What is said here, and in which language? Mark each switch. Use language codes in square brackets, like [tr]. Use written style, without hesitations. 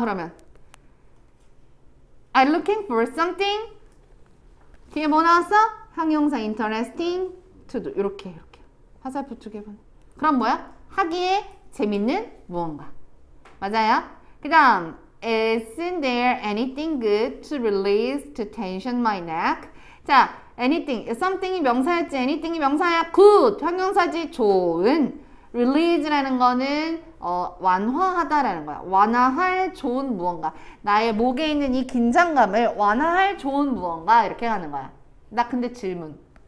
[en] 그러면 I'm looking for something. [ko] 뒤에 뭐 나왔어? [en] 형용사 interesting to do. [ko] 이렇게 이렇게 화살 부추기면 그럼 뭐야? 하기에 재밌는 무언가. 맞아요? 그 다음 [en] Isn't there anything good to release to tension my neck? 자, anything. [ko] Something이 명사였지. Anything이 명사야. Good. 형용사지. 좋은. Release라는 거는 완화하다라는 거야. 완화할 좋은 무언가. 나의 목에 있는 이 긴장감을 완화할 좋은 무언가. 이렇게 가는 거야. 나 근데 질문.